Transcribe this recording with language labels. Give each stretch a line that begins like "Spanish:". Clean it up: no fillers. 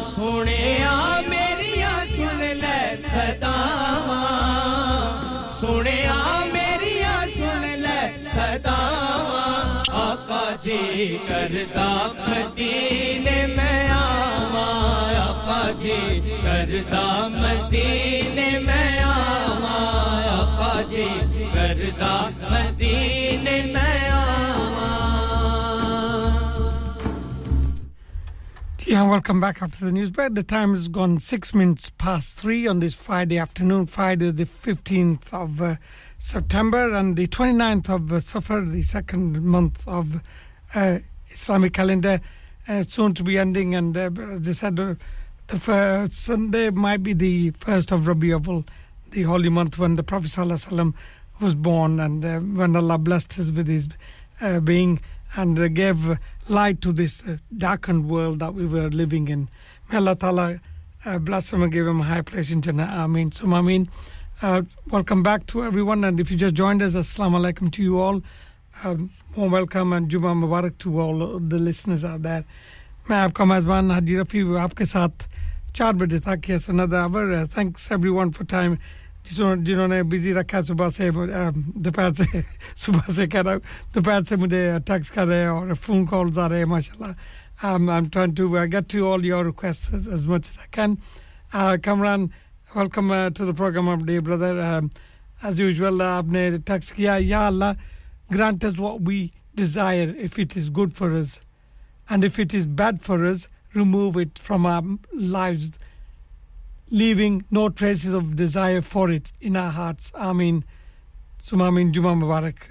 Punjabi: ਸੁਣਿਆ ਮੇਰੀਆਂ ਸੁਣ ਲੈ ਸਦਾਵਾਂ, ਸੁਣਿਆ ਮੇਰੀਆਂ ਸੁਣ ਲੈ ਸਦਾਵਾਂ, ਆਪਾ ਜੀ ਕਰਦਾ ਮਦੀਨੇ ਮੈਂ ਆਵਾਂ, ਆਪਾ ਜੀ ਕਰਦਾ ਮਦੀਨੇ ਮੈਂ ਆਵਾਂ, ਆਪਾ ਜੀ ਕਰਦਾ ਮਦੀਨੇ ਮੈਂ।
English: Yeah, welcome back after the news break. The time has gone 6 minutes past three on this Friday afternoon, Friday the 15th of September and the 29th of Safar, the second month of Islamic calendar, soon to be ending. And as I said, the first Sunday might be the first of Rabi Awal, the holy month when the Prophet Sallallahu Alaihi Wasallam was born, and when Allah blessed us with his being and gave light to this darkened world that we were living in. May Allah Ta'ala bless him and give him a high place in Jannah. Ameen. So, Ameen. Welcome back to everyone. And if you just joined us, Assalamu Alaikum to you all. Warm welcome and Jumma Mubarak to all the listeners out there. May I come as one, Haji Rafi,
Hindi: aapke saath char baje tak,
English: yes, another hour. Thanks everyone for time.
Hindi: जिन्होंने busy रखा सुबह से कह रहा हूँ दोपहर से मुझे टैक्स कर रहे हैं और फोन कॉल्स आ रहे हैं माशाल्लाह।
English: I'm trying to get to all your requests as much as I can. Kamran, welcome to the program of day, brother. As usual,
Hindi: आपने टैक्स किया,
English: या Allah, grant us what we desire if it is good for us, and if it is bad for us, remove it from our lives, leaving no traces of desire for it in our hearts. Ameen. Summa ameen. Jumma Mubarak.